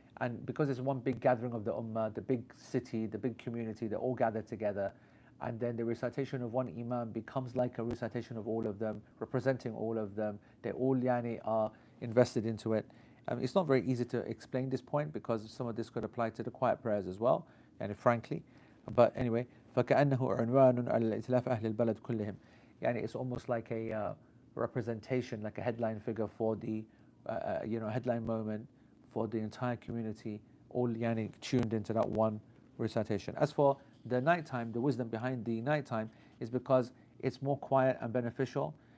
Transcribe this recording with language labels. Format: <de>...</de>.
<en>And because it's one big gathering of the ummah, the big city, the big community, they all gather together, and then the recitation of one imam becomes like a recitation of all of them, representing all of them. They all يعني are invested into it. It's not very easy to explain this point because some of this could apply to the quiet prayers as well. And frankly, but anyway,</en> <ar>فكأنه عنوان على الائتلاف أهل البلد كلهم.</ar> <en>And it's almost like a representation, like a headline figure for the, you know, headline moment for the entire community, all yani tuned into that one recitation. As for the nighttime, the wisdom behind the nighttime is because it's more quiet and beneficial.</en>